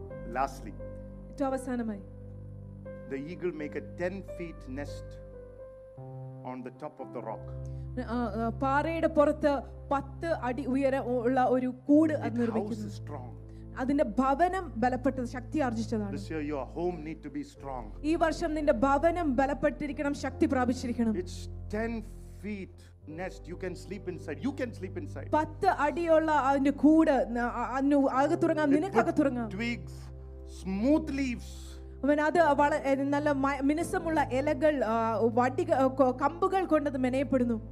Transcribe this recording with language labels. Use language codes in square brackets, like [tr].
[en] Lastly, the eagle make a 10-foot nest on the top of the rock. [ml] പാറയുടെ പുറത്ത് 10 feet ഉയരമുള്ള ഒരു കൂട് അത് നിർമ്മിക്കുന്നു. അതിന്റെ ഭവനം ബലപ്പെട്ടത് ശക്തി ആർജിച്ചതാണ്. [en] This year your home need to be strong. [ml] ഈ വർഷം നിന്റെ ഭവനം ബലപ്പെട്ടിരിക്കണം, ശക്തി പ്രാപിച്ചിരിക്കണം. [en] It's 10 feet nest, you can sleep inside, you can sleep inside. [ml] 10 അടിയുള്ള അതിന്റെ കൂട് അന്ന് അകത്തുറങ്ങാം, നിനക്കകത്തുറങ്ങാം. [en] Twigs, smooth leaves. [ml] അവനത് വളരെ നല്ല മിനുസമുള്ള ഇലകൾ വടി കമ്പുകൾ കൊണ്ടത് മെനയപ്പെടുന്നു.